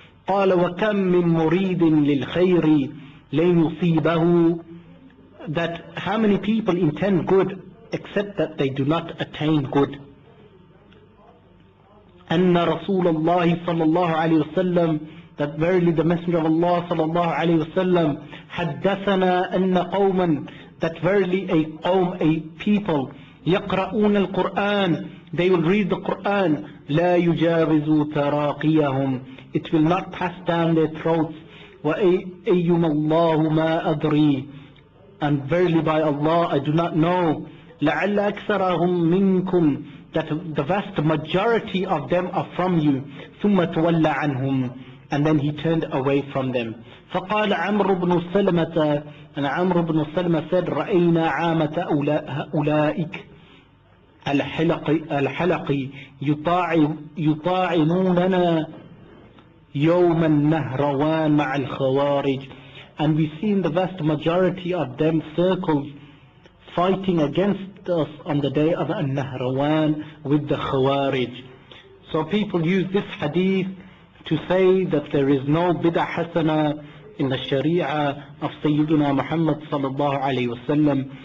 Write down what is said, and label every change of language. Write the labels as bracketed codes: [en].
[ar] قال وكم من مريد للخير لن يصيبه. [en] That how many people intend good except that they do not attain good. [ar] أن رسول الله صلى الله عليه وسلم, [en] that verily the Messenger of Allah صلى الله عليه وسلم, [ar] حدثنا أن قوما, [en] that verily a قوم, a people, [ar] يقرؤون القرآن, [en] they will read the Quran, [ar] لا يجاوز تراقيهم, [en] it will not pass down their throats. [ar] وأيما الله ما أدري, [en] and verily by Allah I do not know, [ar] لعل أكثرهم منكم, [en] that the vast majority of them are from you. [ar] ثم تولى عنهم, [en] and then he turned away from them. [ar] فقال عمر بن سلمة, and عمر بن سلمة said, رأينا عامة أولئك الحلق يطاعموننا يوم النهروان مع الخوارج. [en] And we seen the vast majority of them circles fighting against us on the day of النهروان with the خوارج. So people use this hadith to say that there is no bid'ah hasana in the sharia of Sayyiduna Muhammad sallallahu alayhi wasallam.